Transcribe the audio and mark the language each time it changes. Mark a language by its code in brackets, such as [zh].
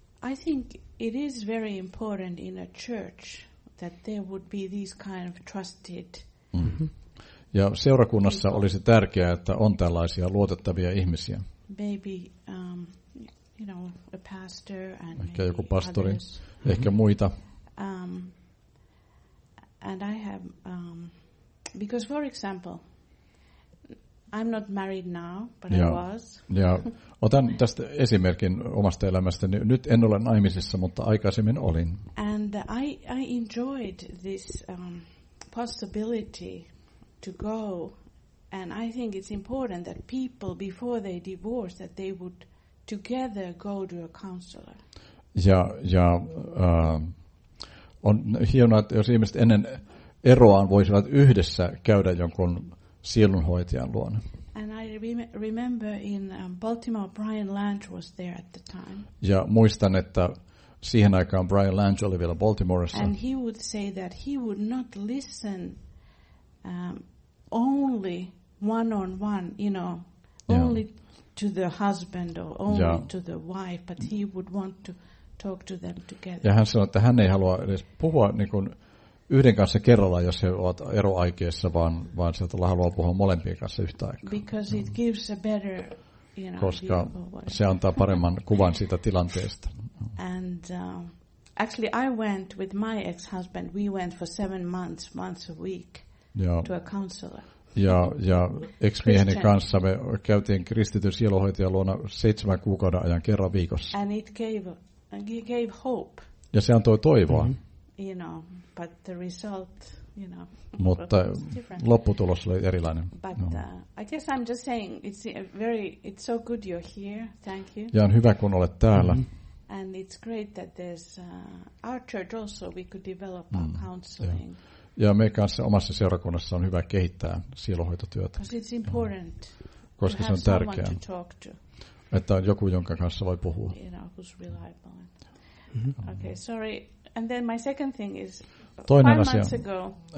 [en] I think it is very important in a church that there would be these kind of trusted. [fi] Ja seurakunnassa olisi tärkeää, että on tällaisia luotettavia ihmisiä. [en] Maybe you know, a pastor and [fi] ehkä joku pastori, ehkä muita. [en] And I have because for example I'm not married now, but [fi] ja, [en] I was. [fi] Ja otan tästä esimerkin omasta elämästäni. Nyt en ole naimisissa, mutta aikaisemmin olin. [en] And I enjoyed this possibility to go, and I think it's important that people before they divorce that they would together go to a counselor. [fi] Ja on hienoa, että jos ihmiset ennen eroaan voisivat yhdessä käydä jonkun sielunhoitajan luona. [en] And I remember in Baltimore Brian Lange was there at the time. [fi] Ja muistan, että siihen aikaan Brian Lange oli vielä Baltimoressa. [en] And he would say that he would not listen only one on one, you know, only to the husband or only to the wife, but he would want to talk to them together. [fi] Ja hän sanoi, että hän ei halua edes puhua niin kuin yhden kanssa kerrallaan, jos he ovat eroaikeessa, vaan sieltä haluaa puhua molempien kanssa yhtä aikaa. [en] Because it gives a better, you know, [fi] koska se antaa paremman kuvan siitä tilanteesta. [en] And actually I went with my ex-husband, we went for 7 months, once a week, to a counselor. [fi] Ja ex-mieheni kanssa me käytiin kristityn sielunhoitajan luona 7 kuukauden ajan kerran viikossa. [en] And it gave hope. [fi] Ja se antoi toivoa. Mm-hmm. [en] You know, but the result, you know, [fi] mutta lopputulos oli erilainen. [en] But I guess I'm just saying it's so good you're here. Thank you. [fi] Ja on hyvä, kun olet täällä. Mm-hmm. [en] And it's great that there's our church also, we could develop our counseling. [fi] Ja me kanssa omassa seurakunnassa on hyvä kehittää sielunhoitotyötä. [en] Because it's important. [fi] Koska se on tärkeää. Että on joku, jonka kanssa voi puhua. [en] You know, who's reliable. Mm-hmm. Okay, sorry. And then my second thing is [fi] toinen [en] five [fi] asia. [en] Months ago.